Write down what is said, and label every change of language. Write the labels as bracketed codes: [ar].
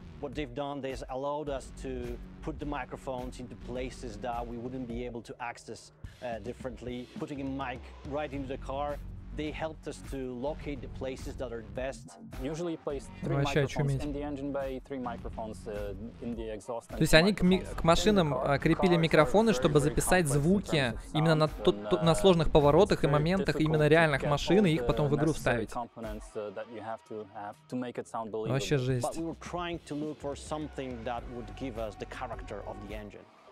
[en] What they've done, they've allowed us to put the microphones into places that we wouldn't be able to access differently. Putting a mic right into the car, they helped us to locate the places that are best. Usually place three microphones in the engine bay, three microphones in the exhaust. [ru] То есть они к машинам крепили микрофоны, чтобы записать звуки именно на сложных поворотах и моментах именно реальных машин, и их потом в игру вставить. Вообще жесть. [en] But we were trying to look for something that would give us the character of the engine.